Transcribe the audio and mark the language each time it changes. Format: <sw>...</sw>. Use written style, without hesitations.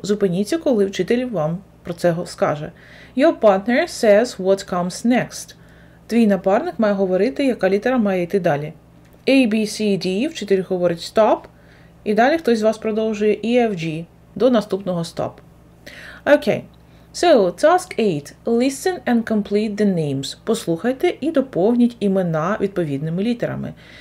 <uk>Зупиніться, коли вчитель вам про це скаже.</uk> <en>Your partner says what comes next.</en> <uk>Твій напарник має говорити, яка літера має йти далі.</uk> <en>A, B, C, D.</en> <uk>Вчитель говорить stop. І далі хтось з вас продовжує EFG до наступного стоп.</uk> <en>Okay, so task 8. Listen and complete the names.</en> <uk>Послухайте і доповніть імена відповідними літерами.</uk>